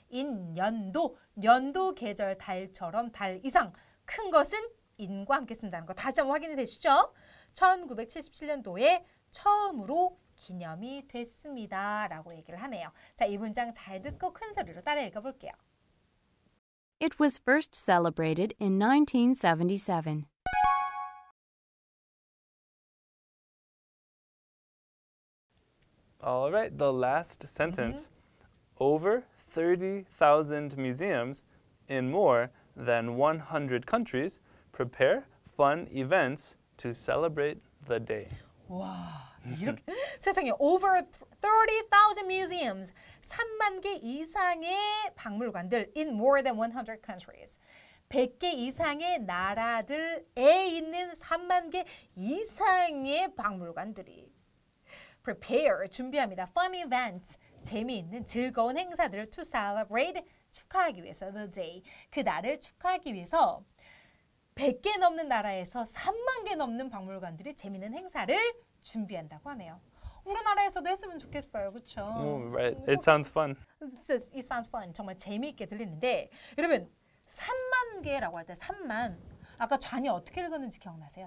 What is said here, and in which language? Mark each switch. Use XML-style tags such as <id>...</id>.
<ko>In 연도, 연도 계절 달처럼 달 이상 큰 것은 in과 함께 쓴다는 거 다시 한번 확인이 되시죠? 1977년도에 처음으로 기념이 됐습니다. 라고 얘기를 하네요. 자, 이 문장 잘 듣고 큰 소리로 따라 읽어볼게요.</ko> <en>It was first celebrated in 1977. All right, the last sentence. Mm-hmm. Over 30,000 museums in more than 100 countries prepare fun events to celebrate the day.</en> <ko>와, 이렇게 세상에</ko> <en>over 30,000 museums,</en> <ko>3만 개 이상의 박물관들</ko> <en>in more than 100 countries.</en> <ko>100개 이상의 나라들에 있는 3만 개 이상의 박물관들이 prepare 준비합니다.</ko> <en>Fun events,</en> <ko>재미있는 즐거운 행사들을</ko> <en>to celebrate</en> <ko>축하하기 위해서</ko> <en>the day.</en> <ko>그 날을 축하하기 위해서 100개 넘는 나라에서 3만 개 넘는 박물관들이 재미있는 행사를 준비한다고 하네요. 우리나라에서도 했으면 좋겠어요. 그렇죠?</ko> <en>Oh, right. It sounds fun. It sounds fun.</en> <ko>정말 재미있게 들리는데 여러분, 3만 개라고 할 때 3만 아까 잔이 어떻게 읽었는지 기억나세요?</ko>